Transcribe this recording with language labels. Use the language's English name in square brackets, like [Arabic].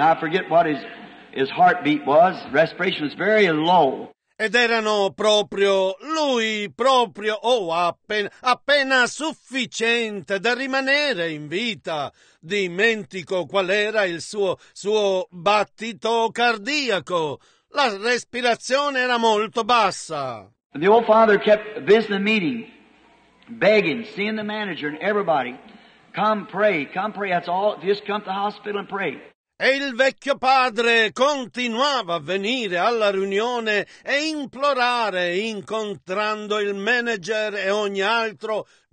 [English] I forget what his heartbeat was. Respiration was very low. [Italian] Ed erano proprio lui, proprio, appena sufficiente da rimanere in vita. Dimentico qual era il suo battito cardiaco. La respirazione era molto bassa. [English] And the old father kept visiting the meeting, begging, seeing the manager and everybody. Come pray, that's all. Just come to the hospital and pray. [Italian] E il vecchio padre continuava a venire alla riunione e implorare, incontrando il manager e ogni altro.